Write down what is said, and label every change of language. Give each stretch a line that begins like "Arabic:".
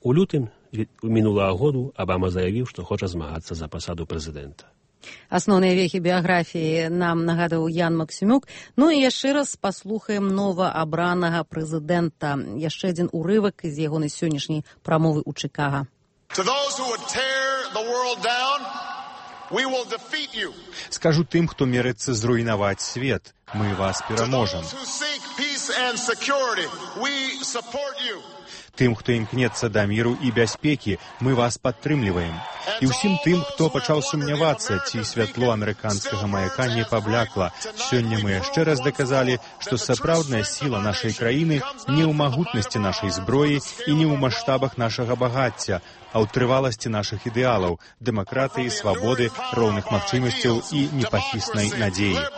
Belarusian: У лютым мінулага году Абама заявіў, што хоча змагацца за пасаду прэзідэнта. Асноўныя вехі біяграфіі нам нагадаў Ян Максімюк. Ну і яшчэ раз паслухаем новаабранага прэзідэнта. Яшчэ адзін урывак з ягонай сённяшняй прамовы ў Чыкаго.
English: To those who would tear the world down, we will defeat you.
Belarusian: Скажу тым, хто мерыцца зруйнаваць свет, мы вас пераможам.
English: To those who seek peace and security, we support you.
Belarusian: Тым, хто імкнецца да міру і бяспекі, мы вас падтрымліваем. І ўсім тым, хто пачаў сумнявацца, ці святло амерыканскага маяка не паблякла, сёння мы яшчэ раз даказалі, што сапраўдная сіла нашай краіны не ў магутнасці нашай зброі і не ў маштабах нашага багацця, а ў трываласці нашых ідэалаў, дэмакратыі, свабоды, роўных магчымасцяў і непахіснай надзеі.